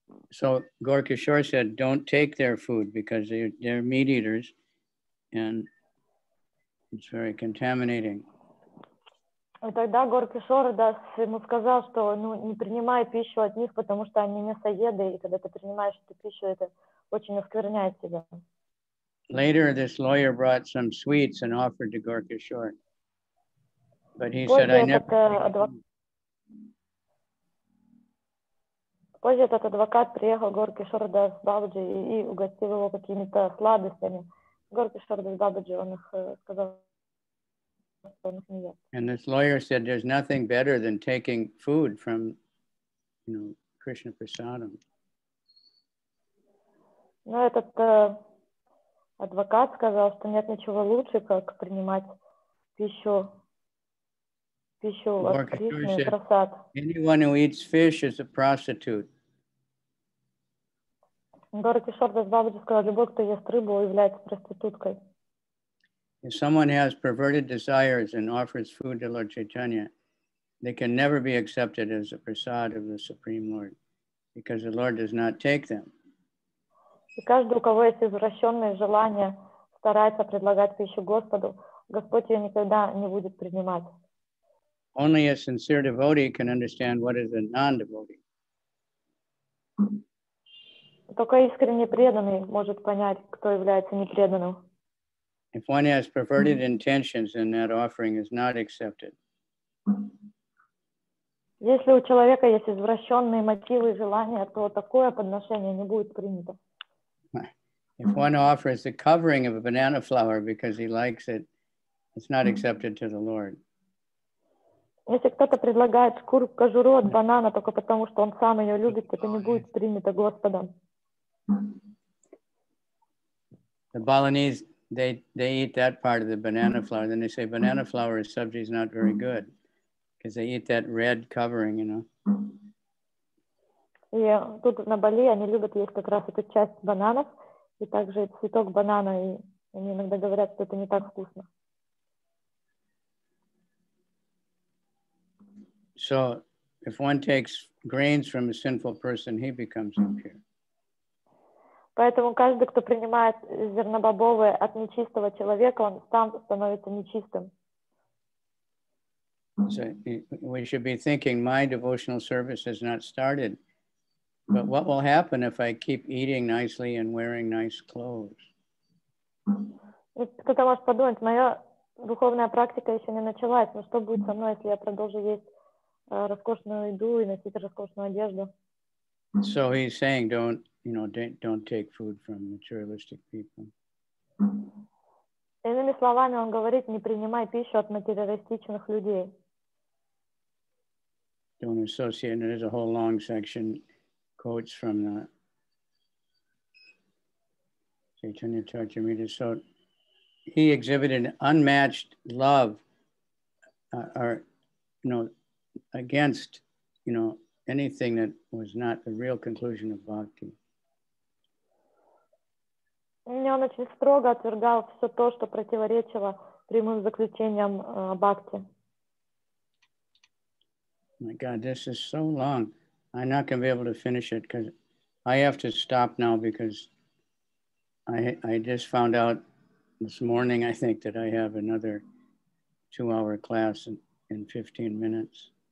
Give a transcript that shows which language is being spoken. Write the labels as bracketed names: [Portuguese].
[English] So Gaur Kishore said, don't take their food because they're meat eaters and it's very contaminating. [Russian] Тогда Гор Кишор ему сказал, что не принимай пищу от них, потому что они мясоеды, и когда ты принимаешь эту пищу, это очень оскверняет тебя. [English] Later, this lawyer brought some sweets and offered to Gaur Kishore. But he said, I never... [Russian] Позже этот адвокат приехал к Гаур Кишор Дас Бабаджи и угостил его какими-то сладостями. Гаур Кишор Дас Бабаджи, он их сказал, что он их не ест. [English] And this lawyer said, there's nothing better than taking food from, you know, Krishna Prasadam. [Russian] Но этот адвокат сказал, что нет ничего лучше, как принимать пищу. [English] Gaur Kishore said, anyone who eats fish is a prostitute. [Russian] Гаур Кишор Дас Бабаджи сказал, любой, кто ест рыбу, является проституткой. [English] If someone has perverted desires and offers food to Lord Chaitanya, they can never be accepted as a prasad of the Supreme Lord, because the Lord does not take them. [Russian] И каждый, у кого есть извращенные желания, старается предлагать пищу Господу, Господь ее никогда не будет принимать. [English] Only a sincere devotee can understand what is a non-devotee. [Russian] Только искренне преданный может понять, кто является непреданным. [English] If one has perverted intentions, then that offering is not accepted. [Russian] Если у человека есть извращенные мотивы и желания, то такое подношение не будет принято. [English] If one offers the covering of a banana flower because he likes it, it's not accepted to the Lord. [Russian] Если кто-то предлагает шкуру, кожуру от банана только потому, что он сам ее любит, это не будет принято Господом. [English] The Balinese, they eat that part of the banana flower. Then they say banana flower is subject is not very good. Because they eat that red covering, you know. [Russian] И тут на Бали они любят есть как раз эту часть бананов. И также цветок банана. И они иногда говорят, что это не так вкусно. [English] So, if one takes grains from a sinful person, he becomes impure. [Russian] Поэтому каждый, кто принимает зернобобовые от нечистого человека, он сам становится нечистым. [English] So, we should be thinking, my devotional service has not started. But what will happen if I keep eating nicely and wearing nice clothes? [Russian] Кто-то может подумать, моя духовная практика еще не началась, но что будет со мной, если я продолжу есть роскошную еду и носить роскошную одежду. [English] So he's saying, don't take food from materialistic people. [Russian] Иными словами, он говорит, не принимай пищу от материалистичных людей. [English] Don't associate, and there's a whole long section quotes from the Chaitanya Charitamrita. So he exhibited unmatched love against, you know, anything that was not the real conclusion of bhakti. [Russian] Он очень строго отвергал все то, что противоречило прямым заключениям бхакти. [English] My God, this is so long. I'm not going to be able to finish it because I have to stop now because I just found out this morning, I think, that I have another 2-hour class in 15 minutes.